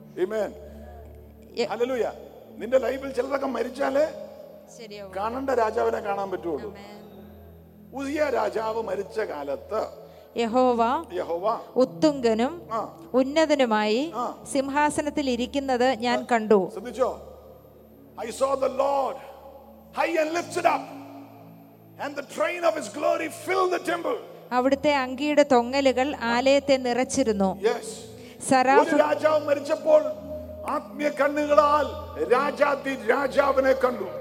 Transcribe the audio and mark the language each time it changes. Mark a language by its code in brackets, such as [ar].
[ml] ആമേൻ, hallelujah. നിന്റെ ലൈഫിൽ ചിലതൊക്കെ മരിച്ചാലേ ശരിയാവും, കാണണ്ട രാജാവിനെ കാണാൻ പറ്റുള്ളൂ. ആമേൻ. ഉസ്സിയ രാജാവ് മരിച്ച കാലത്ത് യഹോവ ഉത്തുംഗനും ഉന്നതനുമായി സിംഹാസനത്തിൽ ഇരിക്കുന്നത് ഞാൻ കണ്ടു. [en] ശ്രദ്ധിച്ചോ, I saw the Lord high and lifted up, and the train of his glory filled the temple. [ml] അവിടുത്തെ അങ്കിയുടെ തൊങ്ങലുകൾ ആലയത്തെ നിറച്ചിരുന്നു. [en] Yes. [ml] സറാഫ് രാജാവ് മരിച്ചപ്പോൾ ആത്മീയ കണ്ണുകളാൽ രാജാതി രാജാവിനെ കണ്ടു.